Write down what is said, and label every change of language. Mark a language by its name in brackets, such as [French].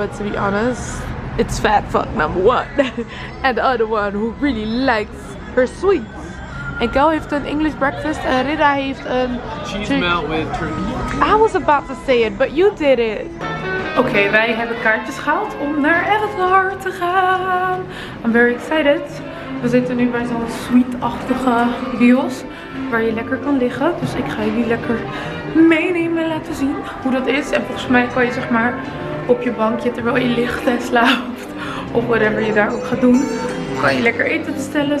[English] But to be honest, it's fat fuck number one. And the other one who really likes her sweets. [Dutch] En Kel heeft een English breakfast en Rida heeft een [English] cheese melt with turkey. I was about to say it, but you did it. [Dutch] Oké, wij hebben kaartjes gehaald om naar Avatar te gaan. [English] I'm very excited. [Dutch] We zitten nu bij zo'n sweet-achtige wheels waar je lekker kan liggen. Dus ik ga jullie lekker meenemen en laten zien hoe dat is. En volgens mij kan je zeg maar op je bankje terwijl je ligt en slaapt of whatever je daar ook gaat doen, kan je lekker eten bestellen.